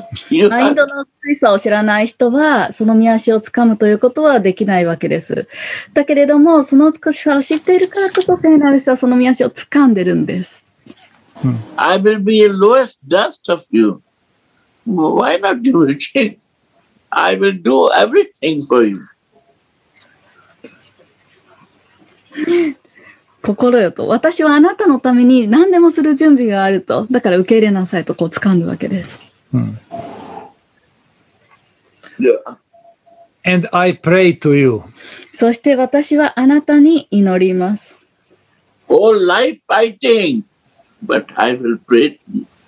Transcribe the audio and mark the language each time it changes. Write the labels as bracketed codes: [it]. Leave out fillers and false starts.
[ja] you マインドの美さを知らない人は、その身足をつかむということはできないわけです。だけれども、その美しさを知っているからこそ、聖なる人はその身足をつかんでるんです。 [en] I will be the lowest dust of you. Why not you will change? I will do everything for you. [ja] 心よと私はあなたのために何でもする準備があるとだから受け入れなさいとこう掴んだわけです、 [en] And I pray to you. [ja] そして私はあなたに祈ります [en] All life fighting but I will pray to you.